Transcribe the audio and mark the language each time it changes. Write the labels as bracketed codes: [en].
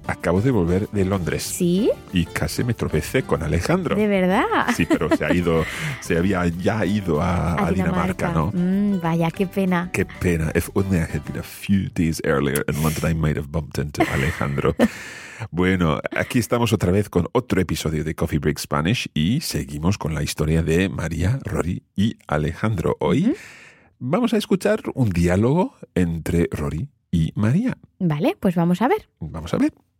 [es] Acabo de volver de Londres. ¿Sí? Y casi me tropecé con Alejandro. ¿De verdad? Sí, pero se ha ido, se había ya ido a Dinamarca, ¿no? Vaya, qué pena. Qué pena. [en] If only I had been a few days earlier in London, I might have bumped into Alejandro. [es] Bueno, aquí estamos otra vez con otro episodio de Coffee Break Spanish y seguimos con la historia de María, Rory y Alejandro. Hoy vamos a escuchar un diálogo entre Rory y María. Vale, pues vamos a ver. Vamos a ver.